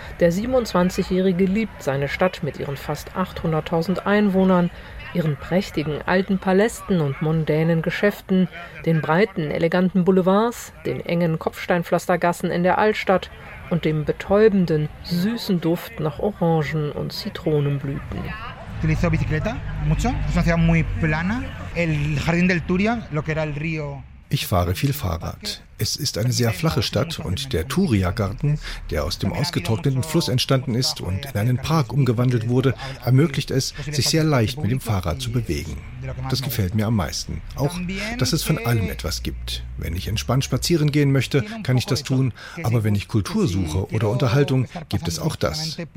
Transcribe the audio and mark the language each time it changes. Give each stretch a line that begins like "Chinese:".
German: Der 27-Jährige liebt seine Stadt mit ihren fast 800.000 Einwohnern, ihren prächtigen alten Palästen und mondänen Geschäften, den breiten, eleganten Boulevards, den engen Kopfsteinpflastergassen in der Altstadt und dem betäubenden, süßen Duft nach Orangen- und Zitronenblüten.
Spanish: Utilizo bicicleta mucho, es una ciudad muy plana. El Jardín del Turia, lo que era el río.
German: Ich fahre viel Fahrrad. Es ist eine sehr flache Stadt und der Turia-Garten, der aus dem ausgetrockneten Fluss entstanden ist und in einen Park umgewandelt wurde, ermöglicht es, sich sehr leicht mit dem Fahrrad zu bewegen. Das gefällt mir am meisten. Auch, dass es von allem etwas gibt. Wenn ich entspannt spazieren gehen möchte, kann ich das tun. Aber wenn ich Kultur suche oder Unterhaltung, gibt es auch das.